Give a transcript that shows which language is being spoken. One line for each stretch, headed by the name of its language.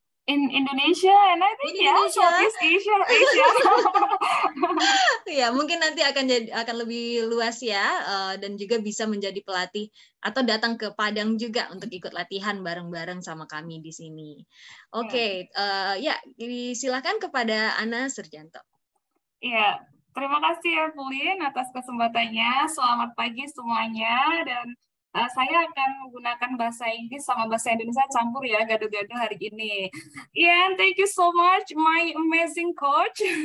English: In Indonesia, and I think yeah, Southeast Asia.
Indonesian: Ya, mungkin nanti akan lebih luas ya, dan juga bisa menjadi pelatih atau datang ke Padang juga untuk ikut latihan bareng-bareng sama kami di sini. Oke, okay, silakan kepada Ana Surjanto. Iya, yeah. Terima kasih ya, Pauline, atas kesempatannya. Selamat pagi semuanya, dan saya akan menggunakan bahasa Inggris sama bahasa Indonesia campur ya, gaduh-gaduh hari ini.
English: Ian, thank you so much, my amazing coach.